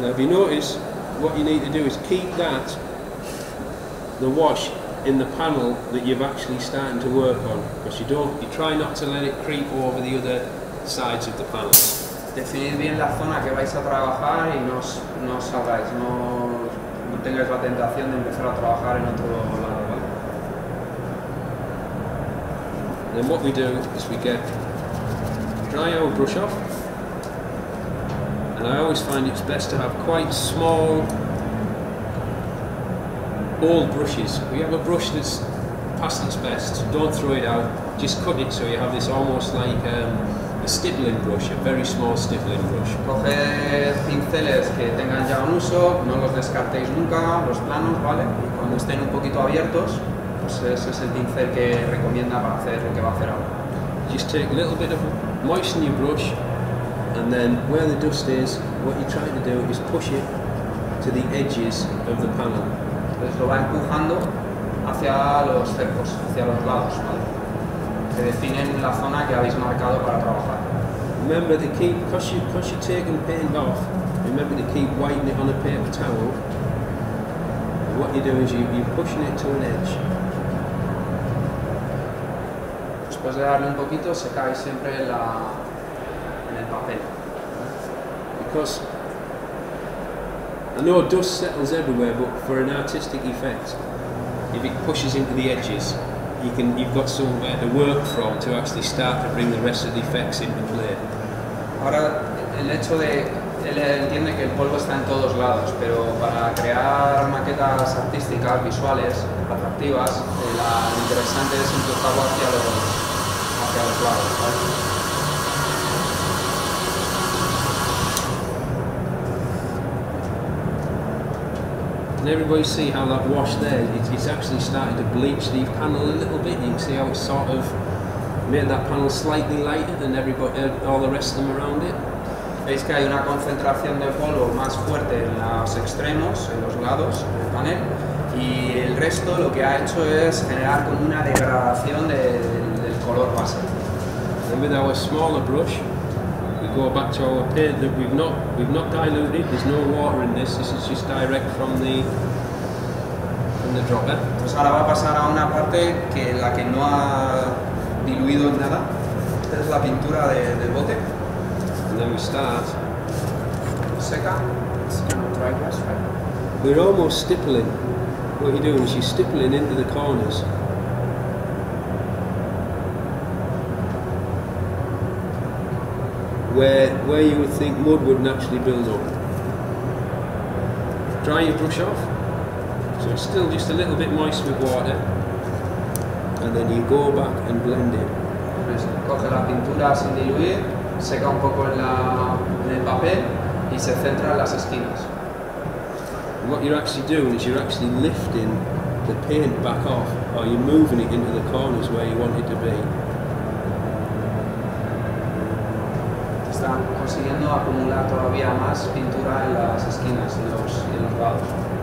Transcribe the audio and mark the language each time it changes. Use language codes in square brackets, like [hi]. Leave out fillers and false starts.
[en] Now, if you notice, what you need to do is keep that, the wash, in the panel that you've actually starting to work on, because you try not to let it creep over the other sides of the panel. [es] Definir bien la zona que vais a trabajar y no salgáis, no tengáis la tentación de empezar a trabajar en otro lado, ¿vale? [en] Then what we do is we get dry our brush off, and I always find it's best to have quite small old brushes. We have a brush that's past its best, don't throw it out, just cut it so you have this almost like a stippling brush, a very small stippling brush. [es] Coger pinceles que tengan ya un uso, no los descartéis nunca, los planos, ¿vale? Cuando estén un poquito abiertos, pues ese es el pincel que recomienda para hacer lo que va a hacer ahora. [en] Just take a little bit of moisten your brush, and then where the dust is, what you're trying to do is push it to the edges of the panel. [es] Entonces lo va empujando hacia los cercos, hacia los lados, ¿vale? Que definen la zona que habéis marcado para trabajar. [en] Remember to keep, because you're taking paint off, remember to keep wiping it on a paper towel. What you're doing is you're pushing it to an edge. [es] Después de darle un poquito, se cae siempre en el papel. [en] Because I know dust settles everywhere, but for an artistic effect, if it pushes into the edges, you've got somewhere to work from to actually start to bring the rest of the effects into play. [es] Ahora, el hecho de él entiende que el polvo está en todos lados, pero para crear maquetas artísticas, visuales, atractivas, lo interesante es empujarlo hacia los lados, ¿vale? [en] Can everybody see how that wash there, it's actually starting to bleach the panel a little bit? You can see how it's sort of made that panel slightly lighter than everybody, all the rest of them around it? [es] Veis que hay una concentración de polvo más fuerte en los extremos, en los lados del panel, y el resto lo que ha hecho es generar como una degradación del color base. [en] And with our smaller brush, we go back to our paint that we've not diluted. There's no water in this. This is just direct from the dropper. [es] Pues ahora va a pasar a una parte que la que no ha diluido en nada. Es la pintura del bote. [en] And then we start. [es] Seca. [en] Dry brush. We're almost stippling. What you're doing is you're stippling into the corners. Where you would think mud would naturally build up. Dry your brush off. So it's still just a little bit moist with water. And then you go back and blend it. [es] Coge la pintura sin diluir, seca un poco en el papel y se centra en las esquinas. [en] What you're actually doing is you're actually lifting the paint back off, or you're moving it into the corners where you want it to be. [es] Están consiguiendo acumular todavía más pintura en las esquinas y los lados.